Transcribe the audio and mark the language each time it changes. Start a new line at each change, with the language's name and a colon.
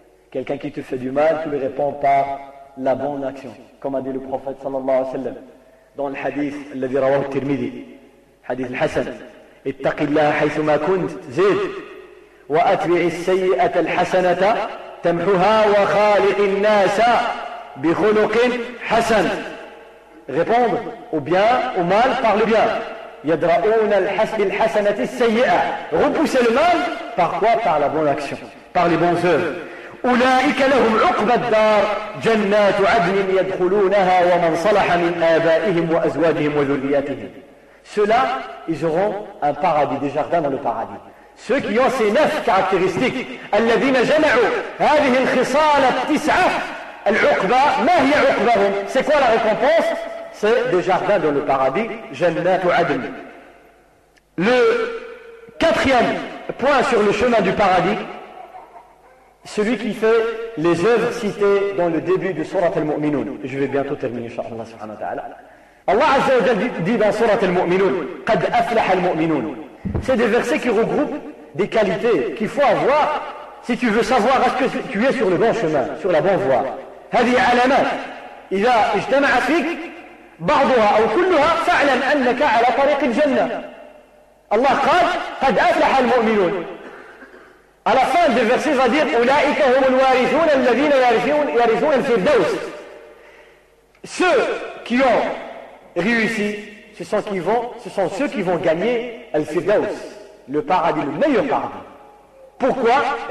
French: Quelqu'un qui te fait du mal, tu lui réponds par la bonne action. Comme a dit le prophète sallallahu alayhi wa sallam. Dans le hadith
Arabic: الذي رواه الترمذي, hadith الحسن, اتق الله حيثما كنت زيد واتبع السيئه الحسنه تمحها وخالق الناس بخلق حسن.
French: Répondre au bien au mal par le bien.
Arabic: يدرؤون الحسنه السيئه,
French: repousser le mal par quoi? Par la bonne action, par les bonnes œuvres.
Arabic: أولئك لهم عقبى الدار جنات عدن يدخلونها ومن صلح من آبائهم وأزواجهم وذرياتهم.
French: Ceux-là, ils auront un paradis, des jardins dans le paradis. Ceux qui ont ces neuf caractéristiques,
Arabic: الذين جمعوا هذه الخصال التسعة العقبى, ما هي عقبهم?
French: C'est quoi la récompense? C'est des jardins dans le paradis, جنات عدن. Le quatrième point sur le chemin du paradis, celui qui fait les œuvres citées dans le début de Surat al-Mu'minun. Je vais bientôt terminer, inshallah subhanahu wa ta'ala. Allah Azza wa Jalla dit dans Surat al-Mu'minun,
Arabic: قد أفلح المؤمنون.
French: C'est des versets qui regroupent des qualités qu'il faut avoir si tu veux savoir est-ce que tu es sur le bon chemin, sur la bonne voie.
Arabic: هذه علامات إذا اجتمعت فيك بعضها أو كلها فاعلم أنك على طريق الجنة. الله قال قد أفلح المؤمنون.
French: À la fin du verset, il va dire
Arabic: أولئك هم الوارثون الذين يرثون الفردوس.
French: Ceux qui ont réussi, ce sont ceux qui vont gagner Al-Firdaus, le paradis, le meilleur paradis. Pourquoi ?